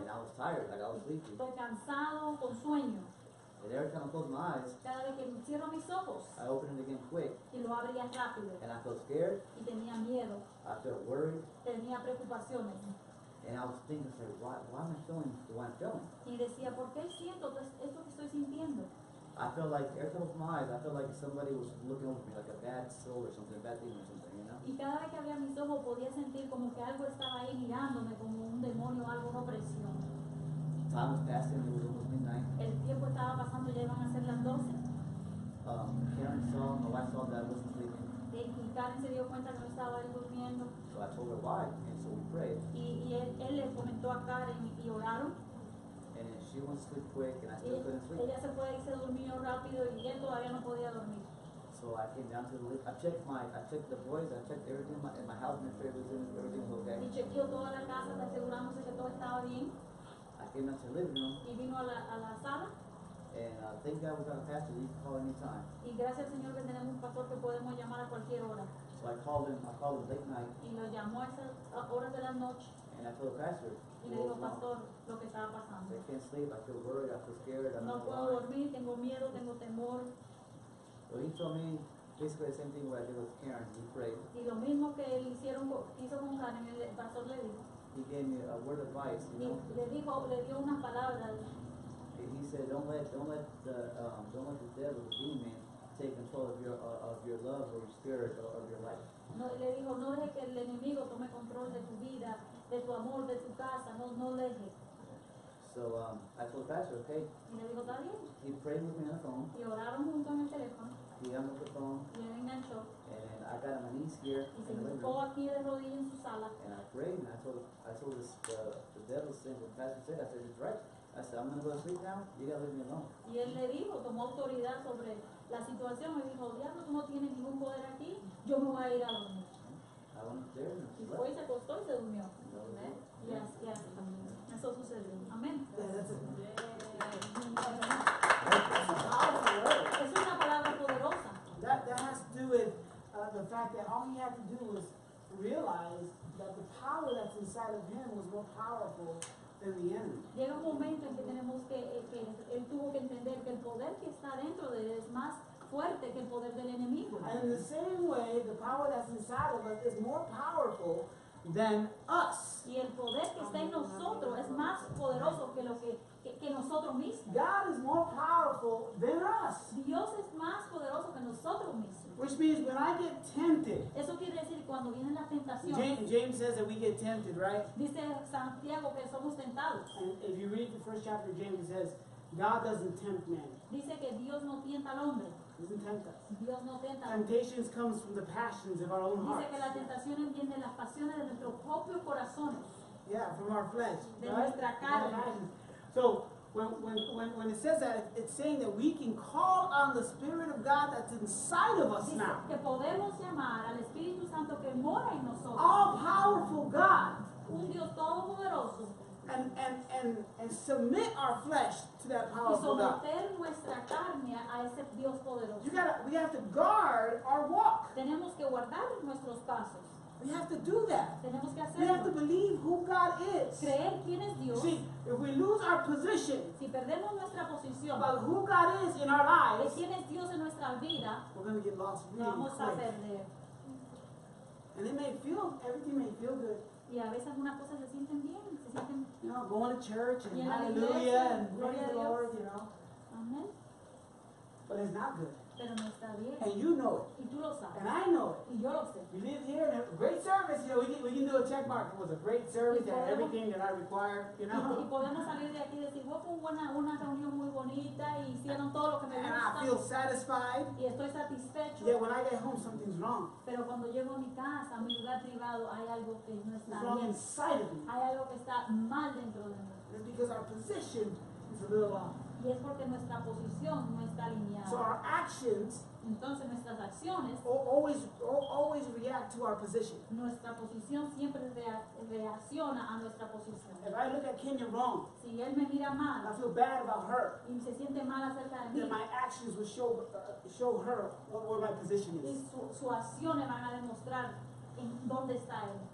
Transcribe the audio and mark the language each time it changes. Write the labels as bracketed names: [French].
[English] And I was tired, like I was sleepy. [Spanish] Estoy cansado, con sueño. [English] And every time I close my eyes, [Spanish] cada vez que cierro mis ojos, [English] I open it again quick. [Spanish] Y lo abría rápido. [English] And I felt scared. [Spanish] Y tenía miedo. [English] I felt worried. [Spanish] Tenía preocupaciones. [English] And I was thinking, like, why am I feeling the way I'm feeling? [Spanish] Y decía, ¿por qué siento esto que estoy sintiendo? [English] I felt like every time I opened my eyes, I felt like somebody was looking over me, like a bad soul or something, a bad demon or something, you know. [Spanish] Y cada vez que abría mis ojos, podía sentir como que algo estaba ahí mirándome, como un demonio, algo una opresión. [English] Time was passing; it was almost midnight. [Spanish] El tiempo estaba pasando; ya iban a ser las 12. [English] Karen saw, my wife saw that I wasn't sleeping. [Spanish] Y Karen se dio cuenta que no estaba ahí durmiendo. [English] So I told her why, and so we prayed. [Spanish] Y él le comentó a Karen y oraron. [English] And she went to sleep quick, and I still couldn't sleep. [Spanish] Ella se fue y se durmió rápido, y él todavía no podía dormir. [English] So I came down to the lift. I checked the boys. I checked everything in my house, make sure everything was okay. [Spanish] Y chequeó toda la casa, asegurándose que todo estaba bien. [English] I came down to the living room. [Spanish] Y vino a la sala. [English] And thank God we got a pastor. You can call anytime. [Spanish] Y gracias Señor que tenemos un pastor que podemos llamar a cualquier hora. [English] So I called him. I called him late night. [Spanish] Y lo llamó a esas horas de la noche. [English] And I told the pastor. [Spanish] Y le digo, pastor, lo que estaba pasando. [English] I can't sleep, I feel worried, I feel scared, [Spanish] no puedo dormir, tengo miedo, tengo temor. [English] Well, he told me basically the same thing what I did with Karen, he prayed. [Spanish] Y lo mismo que él hizo con Karen, el pastor le dijo. [English] He gave me a word of advice, you know. [Spanish] Le dio unas palabras. [English] And he said, don't let the devil, the demon, take control of your love or your spirit or of your life. [Spanish] No, le dijo, no deje que el enemigo tome control de tu vida. De tu amor, de tu casa, no leje. [English] So I told the pastor, okay. [Spanish] Y le digo, está bien. [English] He prayed with me on the phone. [Spanish] Y oraron junto en el teléfono. [English] He hung up the phone. [Spanish] Y él enganchó. [English] And I got on my knees here. [Spanish] Y se hincó aquí de rodillas en su sala. [English] And I prayed, and I told this, the devil's thing, what the pastor said. I said, it's right. I said, I'm going to go to sleep now. You got to leave me alone. [Spanish] Y él le dijo, tomó autoridad sobre la situación. Me dijo, diablo, tú no tienes ningún poder aquí. Yo me voy a ir a dormir. [English] That has to do with the fact that all he had to do was realize that the power that's inside of him was more powerful [Spanish] Llega un momento en que tenemos que él tuvo que entender que el poder que está dentro de él es más fuerte que el poder del enemigo. [English] And in the same way, the power that's inside of us is more powerful than us. [Spanish] Y el poder que está en nosotros es más poderoso que lo que nosotros mismos. [English] God is more powerful than us. [Spanish] Dios es más poderoso que nosotros mismos. [English] Which means when I get tempted. [Spanish] Eso quiere decir cuando viene la tentación. [English] James says that we get tempted, right? [Spanish] Dice Santiago que somos tentados. [English] And if you read the first chapter of James, it says God doesn't tempt man. [Spanish] Dice que Dios no tienta al hombre. [English] Doesn't tempt us. [Spanish] Dios no tenta. [English] Temptations comes from the passions of our own hearts. [Spanish] Dice que la tentación viene de las pasiones de nuestros propios corazones. [English] Yeah, from our flesh. [Spanish] De [English] right? [Spanish] nuestra carne. [English] So when it says that, it's saying that we can call on the Spirit of God that's inside of us now. [Spanish] Que podemos llamar al Espíritu Santo que mora en nosotros. [English] All powerful God. [Spanish] Un Dios todopoderoso. [English] And submit our flesh to that powerful God. [Spanish] Y someter nuestra carne a ese Dios poderoso. [English] We have to guard our walk. [Spanish] Tenemos que guardar nuestros pasos. [English] We have to do that. [Spanish] Tenemos que hacerlo. [English] We have to believe who God is. [Spanish] Creer quién es Dios. [English] See, if we lose our position, [Spanish] si perdemos nuestra posición, [English] about who God is in our lives, [Spanish] quién es Dios en nuestra vida, [English] we're going to get lost really [Spanish] vamos [English] quick. [Spanish] A perder. [English] And it may feel, everything may feel good. [Spanish] Y a veces algunas cosas se sienten bien, se sienten. [English] You know, going to church and [Spanish] y [English] hallelujah and [Spanish] gloria [English] praise the Lord, you know. [Spanish] Amen. [English] But it's not good. [Spanish] Pero no está bien. [English] And you know it. [Spanish] Y tú lo sabes. [English] And I know it. [Spanish] Y yo lo sé. [English] You live here and a great service, you know, we can do a check mark. It was a great service [Spanish] podemos, [English] and everything that I require, you know. [Spanish] Y podemos salir de aquí y decir, fue una reunión muy bonita y hicieron todo lo que me gusta. [English] And I feel satisfied. [Spanish] Y estoy satisfecho. [English] Yeah, when I get home, something's wrong. [Spanish] Pero cuando llego a mi casa, a mi lugar privado, hay algo que no está [English] wrong [Spanish] bien. [English] Inside of me. [Spanish] Hay algo que está mal dentro de mí. [English] It's because our position is a little off. [Spanish] Y es porque nuestra posición no está alineada. [English] So our actions, [Spanish] entonces nuestras acciones [English] always react to our position. [Spanish] Nuestra posición siempre reacciona a nuestra posición. [English] If I look at Kenya wrong, [Spanish] si él me mira mal, [English] I feel bad about her. [Spanish] Y se siente mal acerca de mí. [English] Then my actions will show her what my position is. [Spanish] Y su acciones van a demostrar en dónde está él.